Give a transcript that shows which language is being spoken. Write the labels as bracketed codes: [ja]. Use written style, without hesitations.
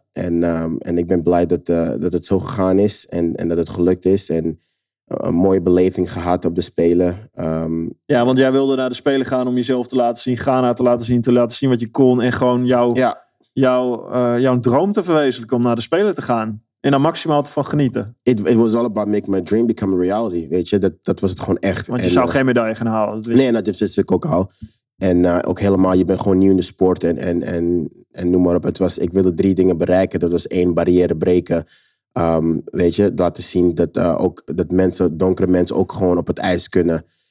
[nl] En ik ben blij dat het zo gegaan is. En dat het gelukt is. En een mooie beleving gehad op de Spelen. Ja, want jij wilde naar de Spelen gaan om jezelf te laten zien. Ghana te laten zien wat je kon. En gewoon jouw droom te verwezenlijken om naar de Spelen te gaan. En dan maximaal van genieten. [en] It was all about make my dream become a reality. [nl] Weet je, dat was het gewoon echt. Want je zou geen medaille gaan halen. Dat wist ik ook al. En ook helemaal, je bent gewoon nieuw in de sport en noem maar op. Ik wilde drie dingen bereiken. Dat was 1, barrière breken. Weet je, laten zien dat ook dat mensen, donkere mensen ook gewoon op het ijs kunnen.